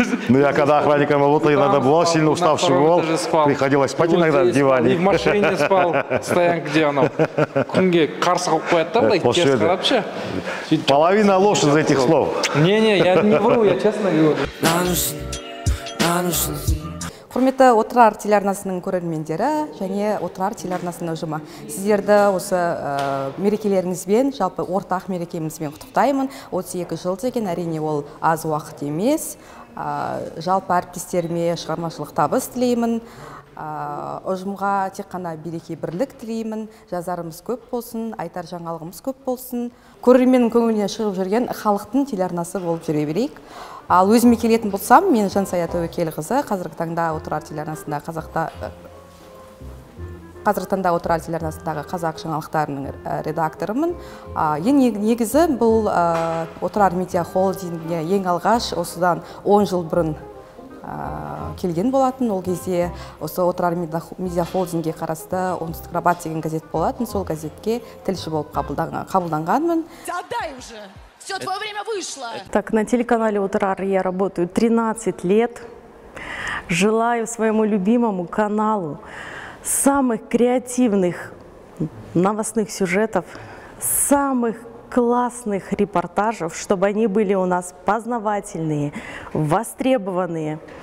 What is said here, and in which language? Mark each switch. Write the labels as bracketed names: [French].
[Russian] Ну я когда охранником работал, иногда бывал сильно уставший, бывал, приходилось спать иногда на диване. И в машине спал, стоян где оно. Кунге карса какой-то там, да, честно вообще. Половина лошади из этих слов. Не-не, я не вру, я честно говорю. [Kazakh] Құрметті Отырар телеарнасының көрермендері және Отырар телеарнасының ұжымы, сіздерді осы мерекелеріңізбен, жалпы ортақ мерекемізбен құттықтаймын. 32 жыл деген әрине ол аз уақыт емес. Жалпы әріптестеріме шығармашылық табыс тілеймін. Ұжымға тек қана береке бірлік тілеймін. Жазарымыз көп болсын, айтар жаңалығымыз көп болсын. Көрерменнің көңілінен шығып жүрген халықтың телеарнасы болып жүре берейік. Ал өзіме келетін болсам, мен Жансая Тәуекелқызы, қазіргі таңда Отырар телеарнасындағы қазақ жаңалықтарының редакторымын. Негізі бұл Отырар медиа холдингіне ең алғаш осыдан 10 жыл бұрын келген болатын. Ол кезде осы Отырар медиа холдингіне қарасты «Оңтүстік Рабат» деген газет болатын, сол газетке тілші болып қабылданғанмын. [Russian] Все, твое время вышло. Так, на телеканале «Отырар» я работаю 13 лет. Желаю своему любимому каналу самых креативных новостных сюжетов, самых классных репортажев, чтобы они были у нас познавательные, востребованные.